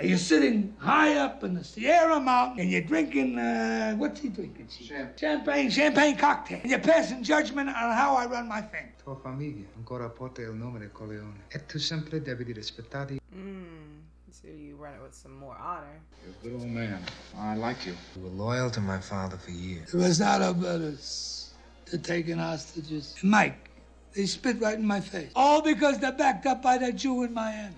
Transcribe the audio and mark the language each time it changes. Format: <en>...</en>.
<en>Are you sitting high up in the Sierra Mountain and you're drinking, what's he drinking? Champagne cocktail. And you're passing judgment on how I run my thing.</en> <it>Tua famiglia ancora porta il nome del Corleone. E tu sempre devi rispettare.</it> <en>So you run it with some more honor. You're a good old man. I like you. You were loyal to my father for years. It was out of They're taking hostages. Mike, they spit right in my face. All because they're backed up by that Jew in Miami.</en>